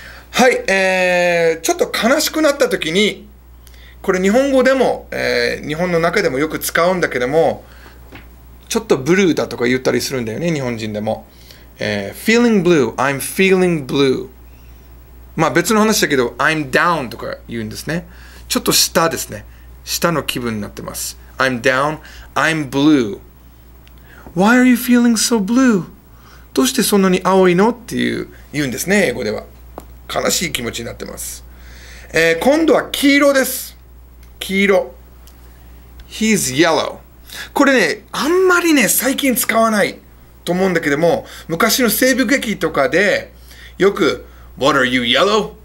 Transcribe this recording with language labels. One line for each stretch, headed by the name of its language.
Japanese: はい、ちょっと悲しくなった時に、これ日本語でも、日本の中でもよく使うんだけども、ちょっとブルーだとか言ったりするんだよね、日本人でも、
English: Feeling blue, I'm feeling blue。
Japanese: まあ別の話だけど
English: I'm down
Japanese: とか言うんですね。ちょっと下ですね、下の気分になってます。
English: I'm down. I'm blue. Why are you feeling so blue?
Japanese: どうしてそんなに青いのっていう言うんですね、英語では。悲しい気持ちになってます。今度は黄色です。黄色。
English: He's yellow.
Japanese: これね、あんまりね、最近使わないと思うんだけども、昔の西部劇とかでよく
English: What are you yellow?